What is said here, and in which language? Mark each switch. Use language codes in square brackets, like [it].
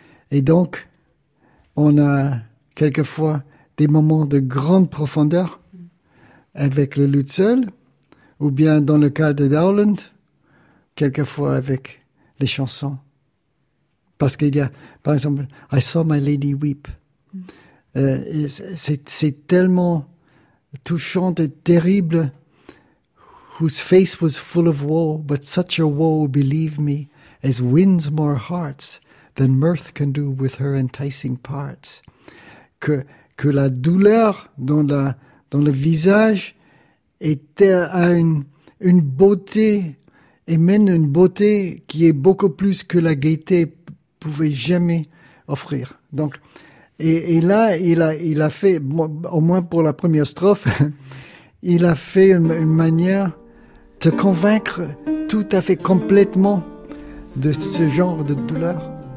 [fr] Et donc, on a quelquefois des moments de grande profondeur avec le luth seul, ou bien dans le cas de Dowland, quelquefois avec les chansons. Parce qu'il y a, par exemple, « [en] I saw my lady weep ». [fr] C'est tellement touchant et terrible. [en] Whose face was full of woe, but such a woe, believe me, as wins more hearts than mirth can do with her enticing parts. [fr] Que la douleur dans le visage était à une beauté et mène une beauté qui est beaucoup plus que la gaieté pouvait jamais offrir. Donc, et là, il a fait, au moins pour la première strophe, il a fait une manière de convaincre tout à fait complètement de ce genre de douleur.